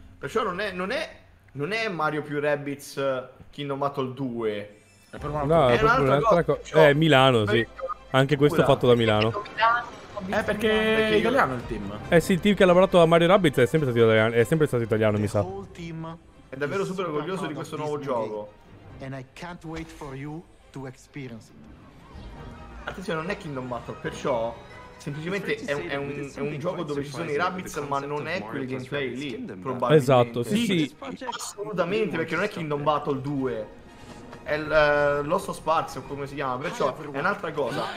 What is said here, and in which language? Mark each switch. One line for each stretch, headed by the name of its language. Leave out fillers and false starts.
Italian: Perciò non è Mario più Rabbids Kingdom Battle 2. È un'altra cosa. Cioè, Milano, sì. Anche questo fatto da Milano. Perché è italiano il team. Sì, il team che ha lavorato a Mario Rabbids è sempre stato italiano, mi sa. È davvero super orgoglioso di questo nuovo gioco.
English: And I can't wait for you to experience it.
Italian: Attenzione, non è Kingdom Battle, perciò semplicemente è un gioco dove ci sono i Rabbids, ma non è quel gameplay lì, probabilmente. Esatto, sì. Assolutamente, perché non è Kingdom Battle 2. È Lost of Sparks, o come si chiama, perciò è un'altra cosa.